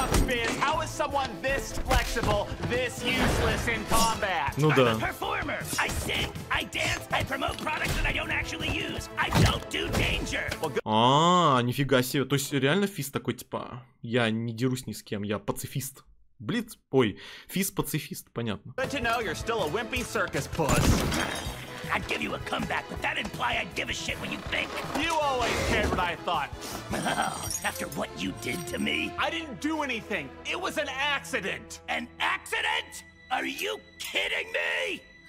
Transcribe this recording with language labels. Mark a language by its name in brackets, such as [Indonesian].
[English] is, how is someone this flexible, this useless in combat? [Russian] Ну да. [English] I'm a performer. I sing, I dance, I promote products that I don't actually use. I don't do danger. [Russian] Нифига себе. То есть реально физ такой, типа, я не дерусь ни с кем, я пацифист. Блиц, ой, физ-пацифист, понятно. [English] Good to know you're still a wimpy circus puss. I'd give you a comeback, but that imply I'd give a shit what you think. You always cared what I thought. After what you did to me. I didn't do anything. It was an accident. An accident? Are you kidding me?